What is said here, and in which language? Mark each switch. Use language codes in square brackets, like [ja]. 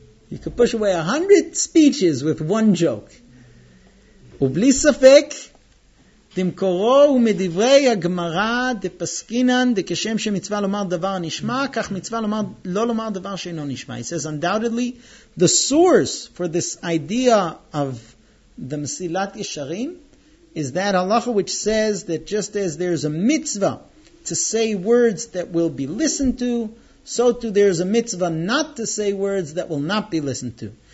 [en] You can push away 100 speeches with one joke. [he] Ubli safek, דמקורו הוא מדברי הגמרא דפסקינן דקשם שמצווה לומר דבר נשמע, כך מצווה לומר, לא לומר דבר שאינו נשמע. [en] He says, undoubtedly, the source for this idea of the Mesilat Yesharim is that halacha which says that just as there is a mitzvah to say words that will be listened to, so too there is a mitzvah not to say words that will not be listened to.